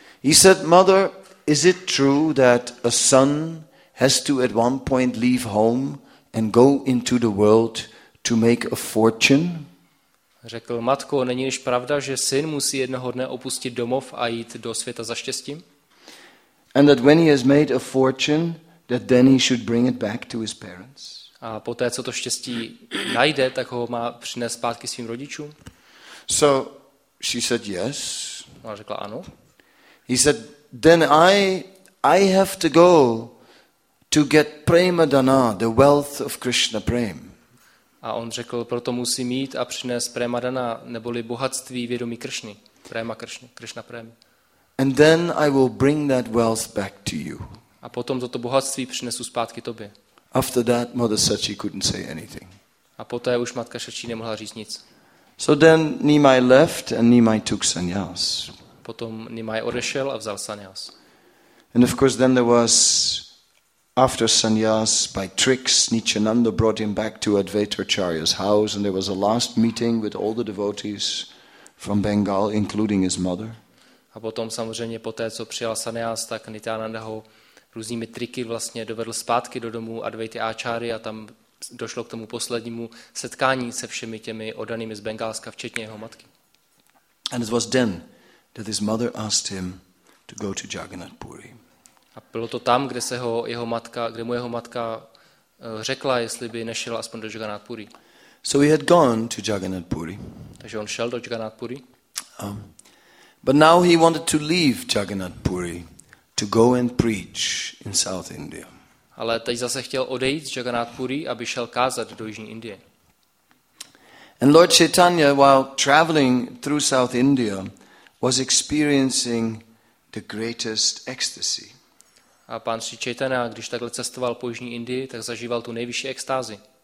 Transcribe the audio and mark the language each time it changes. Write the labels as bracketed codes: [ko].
[en] He said, Mother, is it true that a son has to at one point leave home and go into the world to make a fortune? [cs] Řekl, matko, není již pravda, že syn musí jednoho dne opustit domov a jít do světa za štěstím? [en] And that when he has made a fortune, that then he should bring it back to his parents? [cs] A poté, co to štěstí najde, tak ho má přinést zpátky svým rodičům? [en] So she said yes. [cs] Ona řekla ano. [en] He said, then I have to go to get prema dana, the wealth of Krishna prem. [cs] A on řekl, proto musím jít a přinést prema dana, neboli bohatství vědomí Kršny, prema Kršny, Krishna prem. [en] And then I will bring that wealth back to you. [cs] A potom toto bohatství přinesu zpátky tobě. [en] After that, Mother Sachi couldn't say anything. [cs] A poté už matka Sachi nemohla říct nic. [en] So then Nimai left and Nimai took sannyas. [cs] Potom Nimai odešel a vzal sannyas. [en] And of course then there was after sannyas by tricks Nityananda brought him back to Advaita Acharya's house and there was a last meeting with all the devotees from Bengal including his mother. [cs] A potom samozřejmě poté co přijal sannyas, tak Nityananda ho různými triky vlastně dovedl zpátky do domu Advaity Acharya a tam došlo k tomu poslednímu setkání se všemi těmi oddanými z Bengálska, včetně jeho matky. [en] And it was then that his mother asked him to go to Jagannath Puri. [cs] A bylo to tam, kde se ho jeho matka, kde mu jeho matka řekla, jestli by nešel aspoň do Jagannath Puri. [en] So he had gone to Jagannath Puri. [cs] Takže on šel do Jagannath Puri. [en] But now he wanted to leave Jagannath Puri to go and preach in South India. [cs] Ale teď zase chtěl odejít z Jagannath Puri, aby šel kázat do jižní Indie. [en] And Lord Chaitanya, while traveling through South India, was experiencing the greatest ecstasy. [cs] A pan Sri Chaitanya, když takhle cestoval po jižní Indii, tak zažíval tu nejvyšší extázi.